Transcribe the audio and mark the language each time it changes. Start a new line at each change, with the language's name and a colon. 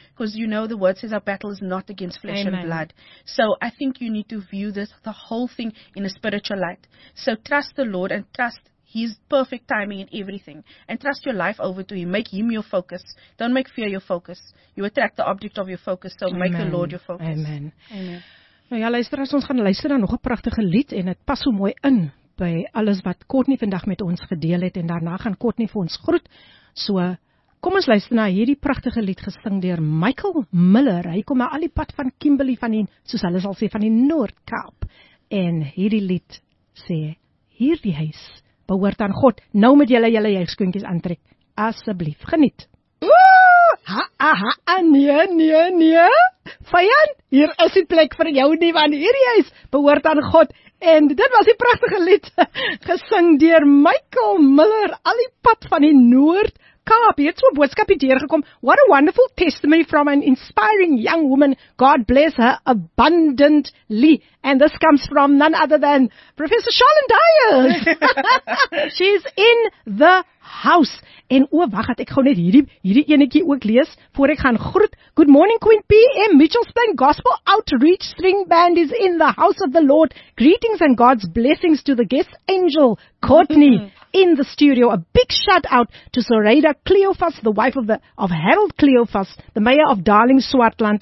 English: Because you know the word says our battle is not against flesh and blood. So I think you need to view this, the whole thing, in a spiritual light. So trust the Lord and trust His perfect timing in everything. And trust your life over to Him. Make Him your focus. Don't make fear your focus. You attract the object of your focus. So make the Lord your focus. Amen.
Afrikaans: Nou ja, luisteraars, ons gaan luister na nog 'n pragtige lied. En het pas so mooi in by alles wat Courtney vandag met ons gedeel het. En daarna gaan Courtney vir ons groet. So, kom ons luister na hierdie pragtige lied gesing deur Michael Miller. Hy kom al die pad van Kimberley, van die, soos hulle sal sê, van die Noord-Kaap. En hierdie lied sê, hierdie huis behoort aan God. Nou met julle jeugskoentjies aantrek. Asseblief, geniet. Ooh, ha, nee. Vyand, hier is die plek vir jou nie, want hierdie huis behoort aan God. En dit was die pragtige lied, gesing deur Michael Miller, al die pad van die Noord-Kaap. Hier het so 'n boodskap hier deurgekom.
English: What a wonderful testimony from an inspiring young woman. God bless her abundantly. And this comes from none other than Professor Charlene Dyers. She's in the house.
Afrikaans: En o, wag, ek gou net hierdie enetjie ook lees voor ek gaan groet.
English: Good morning, Queen PM. Mitchell's Plain Gospel Outreach String Band is in the house of the Lord. Greetings and God's blessings to the guest angel, Courtney, in the studio. A big shout out to Zoraida Cleofas, the wife of Harold Cleofas, the mayor of Darling Swartland.